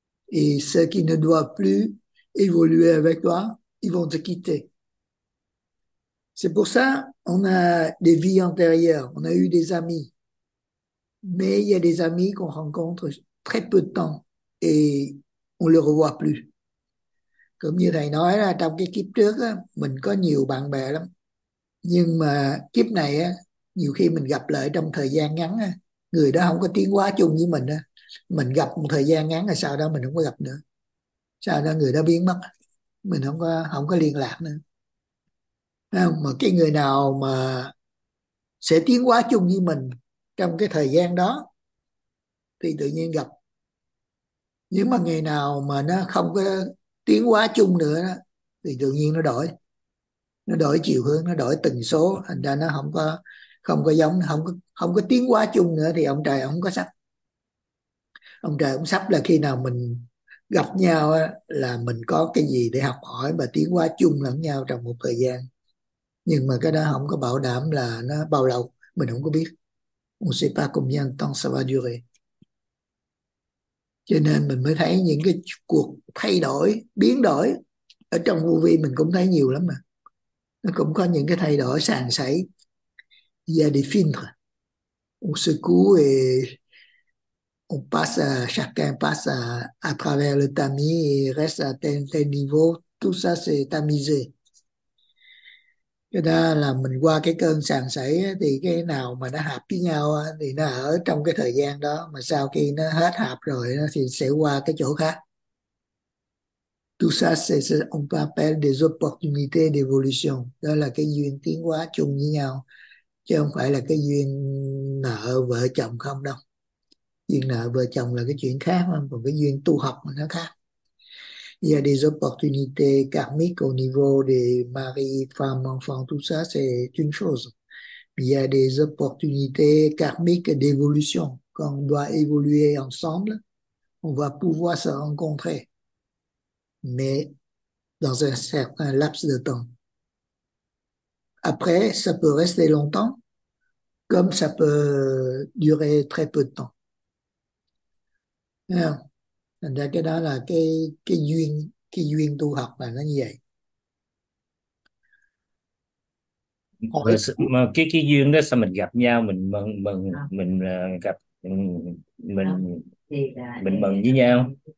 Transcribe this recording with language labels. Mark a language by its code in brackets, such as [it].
[fr] Et ceux qui ne doivent plus évoluer avec toi, ils vont te quitter. C'est pour ça qu'on a des vies antérieures, on a eu des amis. Mais il y a des amis qu'on rencontre très peu de temps et on ne le revoit plus. [vi] Cũng như thầy nói là trong cái kiếp trước á, mình có nhiều bạn bè lắm, nhưng mà kiếp này á, nhiều khi mình gặp lại trong thời gian ngắn á, người đó không có tiến hóa chung với mình á, mình gặp một thời gian ngắn là sau đó mình không có gặp nữa, sau đó người đó biến mất, mình không có liên lạc nữa. Mà cái người nào mà sẽ tiến hóa chung với mình trong cái thời gian đó thì tự nhiên gặp, nhưng mà ngày nào mà nó không có tiến hóa chung nữa đó, thì tự nhiên nó đổi chiều hướng, nó đổi tần số, thành ra nó không có giống, không có tiến hóa chung nữa, thì ông trời không có sắp. Ông trời cũng sắp là khi nào mình gặp nhau á, là mình có cái gì để học hỏi và tiến hóa chung lẫn nhau trong một thời gian. Nhưng mà cái đó không có bảo đảm là nó bao lâu, mình không có biết. [fr] On sait pas combien de temps ça va durer. [vi] Cho nên mình mới thấy những cái cuộc thay đổi, biến đổi ở trong vô vi mình cũng thấy nhiều lắm mà. Nó cũng có những cái thay đổi sàn sảy. [fr] Il y a des filtres. On secoue et on passe, chacun passe à travers le tamis et reste à tel niveau. Tout ça, c'est tamisé. [vi] Cái đó là mình qua cái cơn sàn sảy thì cái nào mà nó hợp với nhau thì nó ở trong cái thời gian đó, mà sau khi nó hết hợp rồi thì sẽ qua cái chỗ khác. [fr] Tout ça, c'est ce qu'on appelle des opportunités d'évolution. [vi] Đó là cái duyên tiến hóa chung với nhau, chứ không phải là cái duyên nợ vợ chồng không đâu. Duyên nợ vợ chồng là cái chuyện khác, còn cái duyên tu học là nó khác. [fr] Il y a des opportunités karmiques au niveau des mari, femme, enfant, tout ça, c'est une chose. Il y a des opportunités karmiques d'évolution. Quand on doit évoluer ensemble, on va pouvoir se rencontrer, mais dans un certain laps de temps. Après, ça peut rester longtemps, comme ça peut durer très peu de temps. [vi] Thành ra cái đó là cái duyên tu học là nó như vậy. Hỏi Mà cái duyên đó sao mình gặp nhau mình mừng mừng mình gặp mình mừng với nhau.